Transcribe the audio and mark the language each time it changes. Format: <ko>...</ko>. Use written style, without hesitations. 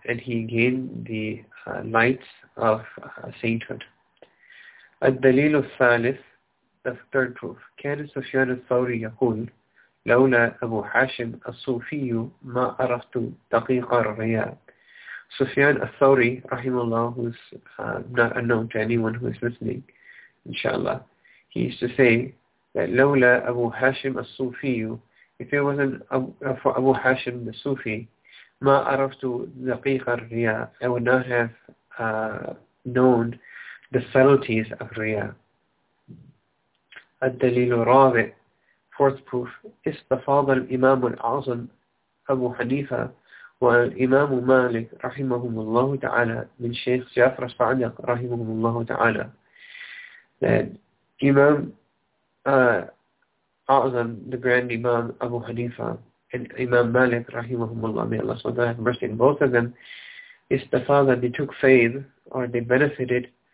<en>And he gained the lights of sainthood.</en> <ar>الدليل الثالث,</ar> <en>the third proof.</en> <ar>كان سفيان الثوري يقول لولا أبو حاشم الصوفي ما عرفت دقيق الرياء.</ar> <en>Sufyan al-Thawri, rahimahullah, who's not unknown to anyone who is listening, inshallah, he used to say that</en> <ar>لولا أبو حاشم الصوفي,</ar> <en>if it wasn't for Abu Hashim the Sufi,</en> <ar>ma araftu daqiq al-riya,</ar> <en>I would not have known the subtleties of riya.</en> <ar>الدليل الرابع,</ar> <en>fourth proof,</en> <ar>استفاض الإمام العظم أبو حنيفة والإمام مالك رحمهم الله تعالى من شيخ جعفر الصادق رحمهم الله تعالى.</ar> <en>Imam Azam, the grand Imam Abu Hanifa, and Imam Malik, rahimahumullah, may Allah SWT have mercy on both of them, is the father, they took faith, or they benefited.</en>